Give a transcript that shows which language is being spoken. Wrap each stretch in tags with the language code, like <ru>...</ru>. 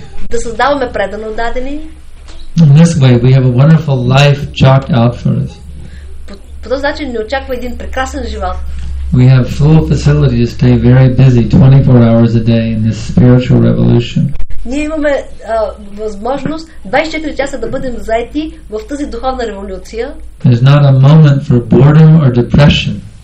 <bg>Да създаваме предано дадени.</bg> <en>In this way we have a wonderful life chalked out for us.</en> <bg>По този начин не очаква един прекрасен живот.</bg> <en>We have full facility to stay very busy 24 hours a day in this spiritual revolution.</en> <bg>Ние имаме възможност 24 часа да бъдем заети в тази духовна революция.</bg> <en>There's not a moment for boredom or depression.</en>